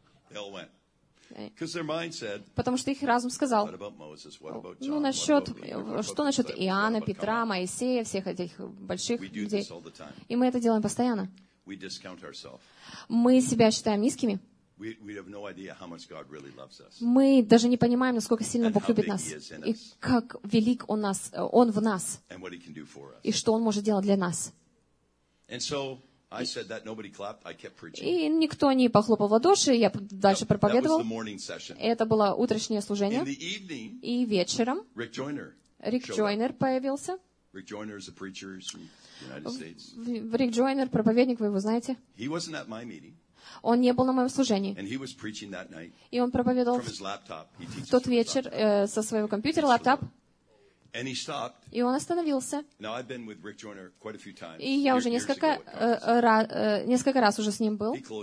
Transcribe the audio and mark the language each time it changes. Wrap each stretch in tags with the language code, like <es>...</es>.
<en>They all went. Because their mind said.</en> <ru>Потому что их разум сказал.</ru> <en>What about Moses? What about John?</en> <ru>Ну насчет что насчет Иоанна, Петра, Моисея, всех этих больших людей.</ru> <en>We do this all the time.</en> <ru>И мы это делаем постоянно.</ru> <en>We discount ourselves.</en> <ru>Мы себя считаем низкими.</ru> <en>We have no idea how much God really loves us.</en> <ru>Мы даже не понимаем, насколько сильно Бог любит нас. И как велик Он в нас.</ru> <en>And what he can do for us.</en> <ru>И что Он может делать для нас.</ru> <en>And so I said that nobody clapped. I kept preaching.</en> <ru>И никто не похлопал в ладоши, я дальше проповедовал.</ru> <en>That was the morning session.</en> <ru>Это было утреннее служение.</ru> <en>In the evening.</en> <ru>И вечером.</ru> <en>Rick Joyner.</en> <ru>Rick Joyner появился.</ru> <en>Rick Joyner is a preacher from the United States.</en> <ru>Rick Joyner проповедник, вы его знаете.</ru> <en>He wasn't at my meeting.</en> <ru>Он не был на моем служении. И он проповедовал в тот вечер со своего компьютера, лаптоп. И он остановился.</ru> <en>Now,</en> <ru>и я несколько раз уже с ним был.</ru>